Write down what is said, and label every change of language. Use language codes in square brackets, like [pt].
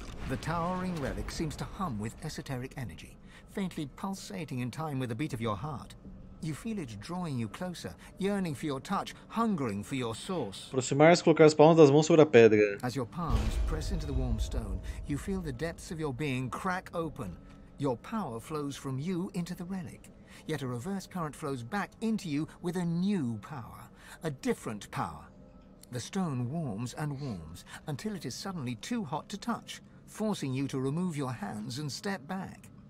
[en] The towering relic seems to hum with esoteric energy, faintly pulsating in time with the beat of your heart. You feel it drawing you closer, yearning for your touch, hungering for your source. [pt] Aproximar-se, colocar as palmas das mãos sobre a pedra. [en] As your palms press into the warm stone, you feel the depths of your being crack open. Your power flows from you into the relic. Yet a reverse current flows back into you with a new power, a different power. The stone warms and warms until it is suddenly too hot to touch, forcing you to remove your hands and step back.